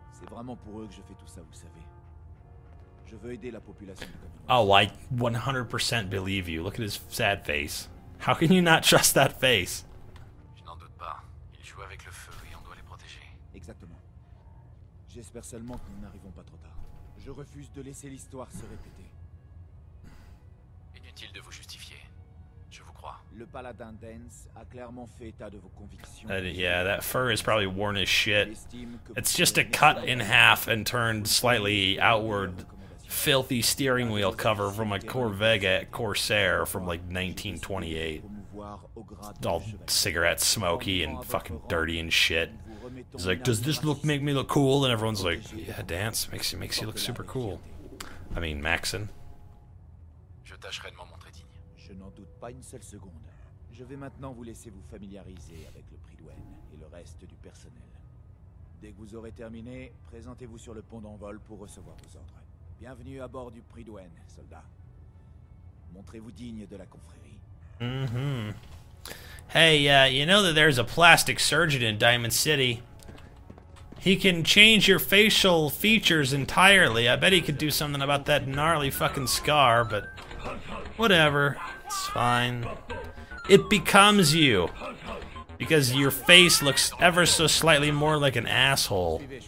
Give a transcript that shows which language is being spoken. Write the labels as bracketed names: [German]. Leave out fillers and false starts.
[French] vraiment pour eux que je fais tout ça, vous savez. Je veux aider la population. [English] Oh, I 100% believe you. Look at his sad face. How can you not trust that face? [French] Je n'en doute pas. Ils jouent avec le feu et on doit les protéger. Exactement. J'espère seulement que nous n'arrivons pas trop tard. Je refuse de laisser l'histoire se répéter. Inutile de vous justifier. Je vous crois. Le paladin Dance a clairement fait état de vos convictions. [English] Yeah, that fur is probably worn as shit. It's just a cut in half and turned slightly outward. Filthy steering wheel cover from a Corsair from like 1928. It's all cigarette smoky and fucking dirty and shit. He's like, does this look make me look cool? And everyone's like, yeah, Dance makes you look super cool. I mean, Maxon. [French] Je tâcherai de m'en montrer digne. Je n'en doute pas une seule seconde. Je vais maintenant vous laisser vous familiariser avec le prix douane et le reste du personnel. Dès que vous aurez terminé, présentez-vous sur le pont d'envol pour recevoir vos ordres. Bienvenue à bord du prix douane, soldat. Montrez-vous digne de la confrérie. Mm-hmm. [English] Hey, you know that there's a plastic surgeon in Diamond City. He can change your facial features entirely. I bet he could do something about that gnarly fucking scar, but whatever. It's fine. It becomes you. Because your face looks ever so slightly more like an asshole.